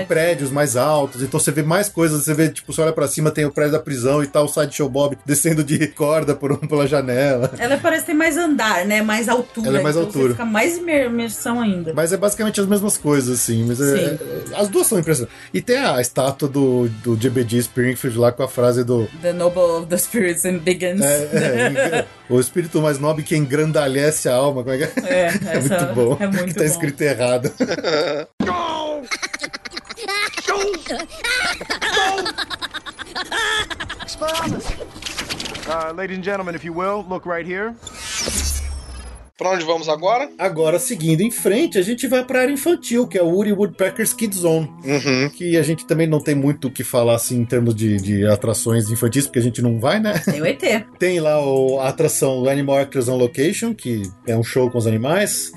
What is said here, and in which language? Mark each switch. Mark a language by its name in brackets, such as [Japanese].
[Portuguese] Tem prédios mais altos, então você vê mais coisas, você vê, tipo, você olha pra cima, tem o prédio da prisão e tal, o Sideshow Bob descendo de corda pela janela. Ela parece ter mais andar, né? Mais altura. Ela é mais então altura. Você fica mais imersão ainda. Mas é basicamente as mesmas coisas, assim. Mas sim. As duas são impressionantes. E tem a estátua do JBG Springfield lá com a frase do... [English] The noble of the spirits and begins. [Portuguese] O espírito mais nobre que engrandalhece a alma. Como é que é? É muito bom. É muito que tá bom. Escrito errado. [English] Go! Go! Go! Ladies and gentlemen, if you will, look right here. [Portuguese] Pra onde vamos agora? Agora, seguindo em frente, a gente vai pra área infantil, que é o Woody Woodpecker's Kid Zone. Uhum. Que a gente também não tem muito o que falar, assim, em termos de atrações infantis, porque a gente não vai, né? Tem o ET. Tem lá a atração Animal Actors on Location, que é um show com os animais.